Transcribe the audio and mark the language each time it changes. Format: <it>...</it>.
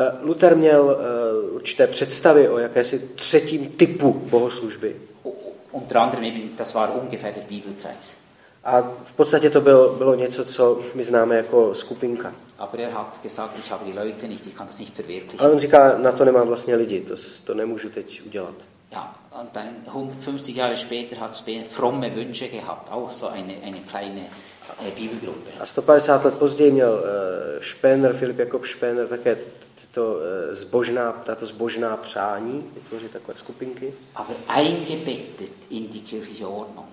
<cs>Luther měl určité představy o jakési třetím typu bohoslužby.</cs> <de>Unter anderem eben, das war ungefähr der Bibelkreis.</de> <cs>A v podstatě to bylo něco, co my známe jako skupinka.</cs> <de>Aber er hat gesagt, ich habe die Leute nicht, ich kann das nicht verwirklichen.</de> <cs>Ale on říká, na to nemám vlastně lidi, to nemůžu teď udělat.</cs> <de>Ja, und dann 150 Jahre später hat er fromme Wünsche gehabt, auch so eine kleine Bibelgruppe.</de> <cs>A 150 let později měl Spener, Filip Jakob Spener, také to zbožná, tato zbožná přání vytvořit takové skupinky.</cs> <de>Aber eingebettet in die kirchliche Ordnung.</de>